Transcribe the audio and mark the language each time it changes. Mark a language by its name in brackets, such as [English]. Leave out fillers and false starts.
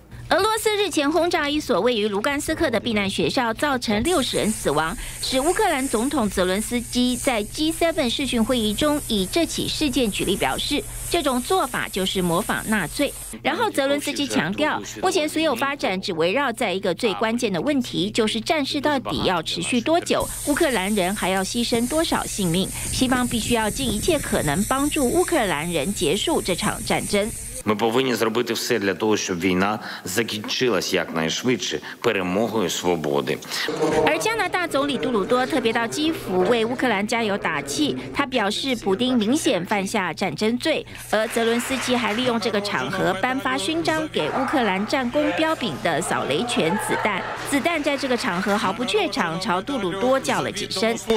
[Chinese] 俄罗斯日前轰炸一所位于卢甘斯克的避难学校，造成60人死亡，使乌克兰总统泽伦斯基在 G7 视讯会议中以这起事件举例表示，这种做法就是模仿纳粹。然后泽伦斯基强调，目前所有发展只围绕在一个最关键的问题，就是战事到底要持续多久，乌克兰人还要牺牲多少性命，西方必须要尽一切可能帮助乌克兰人结束这场战争。 [Ukrainian] Ми повинні зробити все для того, щоб війна закінчилась якнайшвидше перемогою свободи. [Chinese] 而加拿大总理杜鲁多特别到基辅为乌克兰加油打气，他表示普丁明显犯下战争罪，而泽伦斯基还利用这个场合颁发勋章给乌克兰战功标炳的扫雷拳子弹。子弹在这个场合毫不怯场，朝杜鲁多叫了几声。